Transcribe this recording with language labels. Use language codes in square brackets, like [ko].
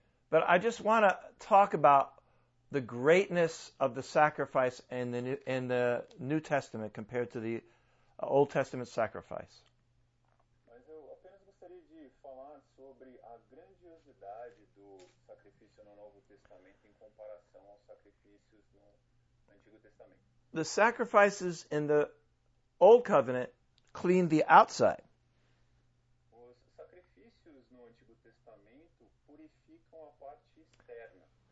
[en] But I just want to talk about the greatness of the sacrifice in the New Testament compared to the Old Testament sacrifice. [pt] Mas eu apenas gostaria de falar sobre a grandiosidade do sacrifício no Novo Testamento em comparação aos sacrifícios no Antigo Testamento. [en] The sacrifices in the Old Covenant cleaned the outside. [pt] Os sacrifícios no Antigo Testamento purificam a parte externa.